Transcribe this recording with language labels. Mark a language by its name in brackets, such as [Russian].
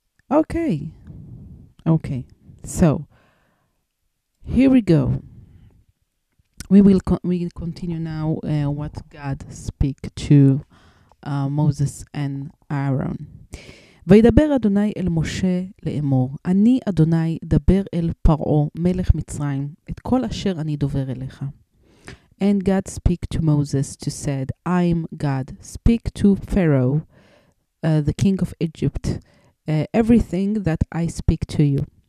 [English] Okay, so here we go. We will continue now what God speak to Moses and Aaron. [Hebrew] וידבר אדוני אל משה לאמור, אני אדוני דבר אל פרעה מלך מצרים את כל אשר אני דובר אליך. [English] And God speak to Moses to said, I am God, speak to Pharaoh, the king of Egypt, everything that I speak to you.